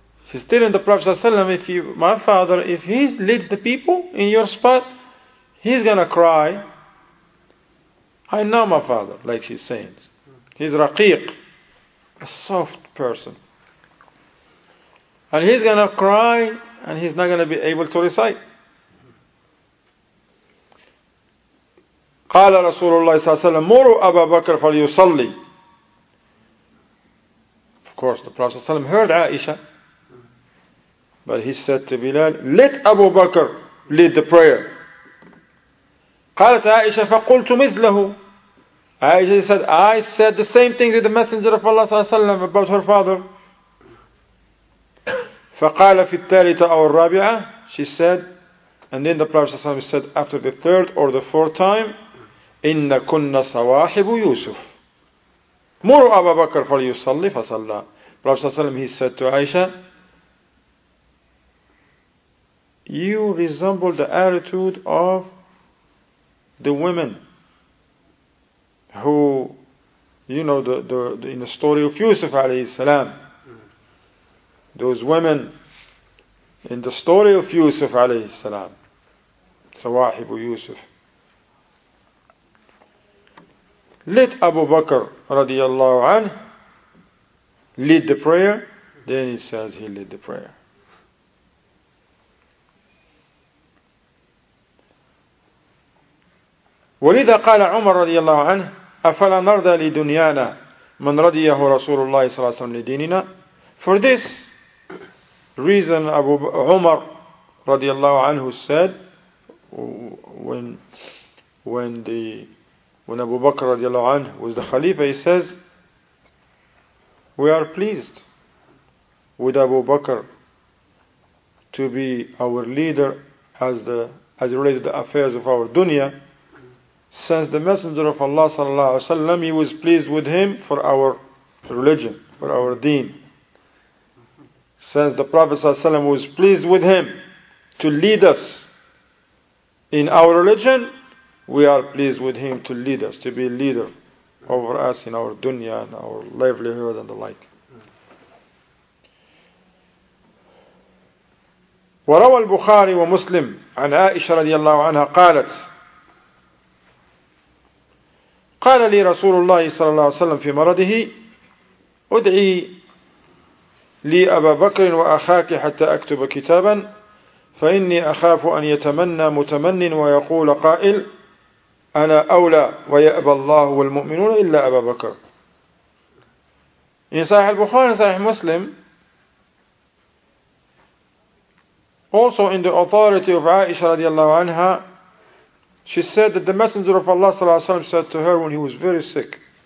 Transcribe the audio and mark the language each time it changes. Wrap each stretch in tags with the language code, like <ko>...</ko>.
<en>She's telling the Prophet ﷺ, if he's led the people in your spot, he's gonna cry. I know my father, like she's saying. He's raqiq, a soft person. And he's gonna cry and he's not gonna be able to recite.</en> <ar>قال رسول الله صلى الله عليه وسلم مروا أبا بكر فليصلي.</ar> <en>Of course, the Prophet ﷺ heard Aisha, but he said to Bilal, let Abu Bakr lead the prayer.</en> <ar>قالت عائشة فقلت مثله.</ar> <en>Aisha said, I said the same thing to the Messenger of Allah ﷺ about her father.</en> <ar>فقال في الثالثة أو الرابعة,</ar> <en>she said, and then the Prophet ﷺ said, after the third or the fourth time,</en> <ar>إن كنا صواحب يوسف. مروا أبا بكر فليصلي فصلى.</ar> <en>Prophet صلى الله عليه وسلم, he said to Aisha, you resemble the attitude of the women who, you know, the in the story of Yusuf عليه السلام, those women in the story of Yusuf عليه السلام, صواحب يوسف. Let Abu Bakr radiallahu anh lead the prayer. Then he says he led the prayer.</en> <ar>ولذا قال عمر رضي الله عنه أفلا نرضى لدنيانا من رضيه رسول الله صلى الله عليه وسلم لديننا.</ar> <en>For this reason Abu Umar رضي الله عنه said, when Abu Bakr radiallahu anh was the Khalifa, he says, we are pleased with Abu Bakr to be our leader as related to the affairs of our dunya, since the Messenger of Allah sallallahu alaihi wasallam, he was pleased with him for our religion, for our deen. Since the Prophet sallallahu alaihi wasallam was pleased with him to lead us in our religion, we are pleased with him to lead us, to be leader over us in our dunya and our livelihood and the like.</en> <ar>وروى البخاري ومسلم عن عائشة رضي الله عنها قالت قال لي رسول الله صلى الله عليه وسلم في مرضه ادعي لي أبا بكر وأخاك حتى أكتب كتابا فإني أخاف أن يتمنى متمن ويقول قائل أنا أولى ويأبى الله والمؤمنون إلا أبا بكر.</ar> <en>In Sahih al-Bukhari and Sahih Muslim, also in the authority of Aisha radiallahu anha, she said that the Messenger of Allah sallallahu alaihi wasallam said to her when he was very sick,</en>